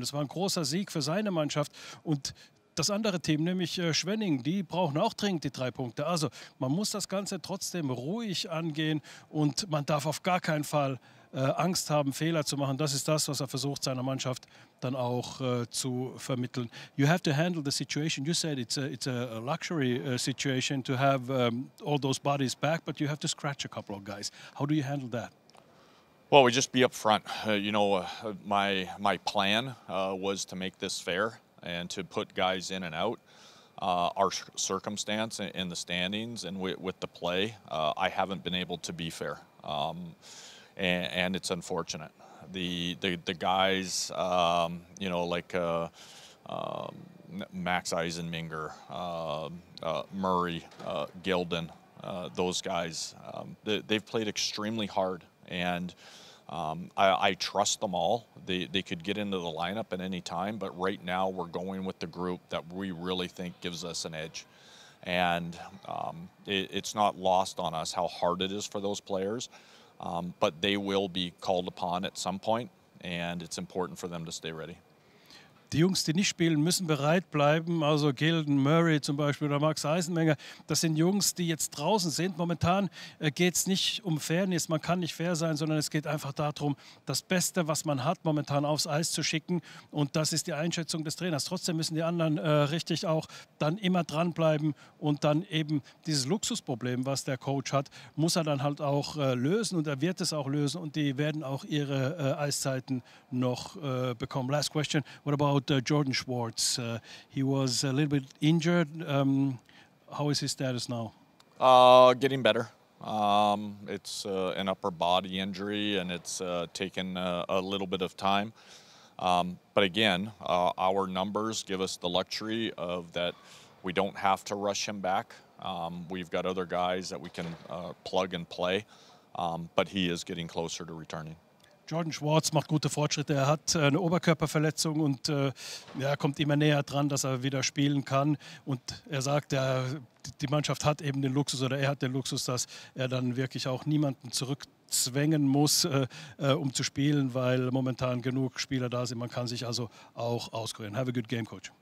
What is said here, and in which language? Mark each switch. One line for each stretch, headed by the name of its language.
German: Das war ein großer Sieg für seine Mannschaft. Und das andere Team, nämlich Schwenning, die brauchen auch dringend die 3 Punkte. Also man muss das Ganze trotzdem ruhig angehen und man darf auf gar keinen Fall Angst haben, Fehler zu machen. Das ist das, was er versucht, seiner Mannschaft dann auch zu vermitteln.
English: You have to handle the situation. You said it's a luxury situation to have all those bodies back, but you have to scratch a couple of guys. How do you handle that? Well, we just be up front. You know, my plan was to make this fair and to put guys in and out. Our circumstance in the standings and with the play, I haven't been able to be fair. And it's unfortunate. The guys, you know, like Max Eisenminger, Murray, Gilden, those guys, they've played extremely hard. And I trust them all. They could get into the lineup at any time. But right now we're going with the group that we really think gives us an edge. And it's not lost on us how hard it is for those players. But they will be called upon at some point, and it's important for them to stay ready.
German: Die Jungs, die nicht spielen, müssen bereit bleiben. Also Gilden, Murray zum Beispiel oder Max Eisenmenger. Das sind Jungs, die jetzt draußen sind. Momentan geht es nicht um Fairness. Man kann nicht fair sein, sondern es geht einfach darum, das Beste, was man hat, momentan aufs Eis zu schicken. Und das ist die Einschätzung des Trainers. Trotzdem müssen die anderen richtig auch dann immer dranbleiben. Und dann eben dieses Luxusproblem, was der Coach hat, muss er dann halt auch lösen. Und er wird es auch lösen. Und die werden auch ihre Eiszeiten noch bekommen.
English: Last question. What about Jordan Schwartz? He was a little bit injured. How is his status now? Getting better. It's an upper body injury and it's taken a little bit of time. But again, our numbers give us the luxury of that we don't have to rush him back. We've got other guys that we can plug and play. But he is getting closer to returning.
German: Jordan Schwartz macht gute Fortschritte. Er hat eine Oberkörperverletzung und er kommt immer näher dran, dass er wieder spielen kann. Und er sagt, die Mannschaft hat eben den Luxus, oder er hat den Luxus, dass er dann wirklich auch niemanden zurückzwängen muss, um zu spielen, weil momentan genug Spieler da sind. Man kann sich also auch auskurieren.
English: Have a good game, Coach.